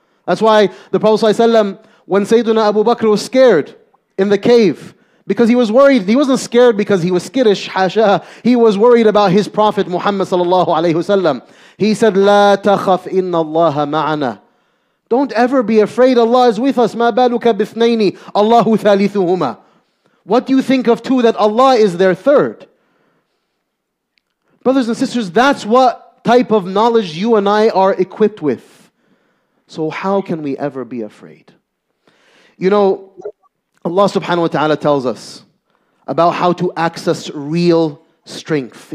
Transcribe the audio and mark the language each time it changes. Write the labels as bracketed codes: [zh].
[en] That's why the Prophet ﷺ, when Sayyidina Abu Bakr was scared in the cave, because he was worried, he wasn't scared because he was skittish, حَشَى. He was worried about his Prophet Muhammad ﷺ. He said, [ar] لَا تَخَفْ إِنَّ اللَّهَ مَعَنَا. [en] Don't ever be afraid. Allah is with us. [ar] مَا بَالُكَ بِثْنَيْنِ اللَّهُ ثَالِثُهُمَا. [en] What do you think of two that Allah is their third? Brothers and sisters, that's what type of knowledge you and I are equipped with. So how can we ever be afraid? You know, Allah subhanahu wa ta'ala tells us about how to access real strength.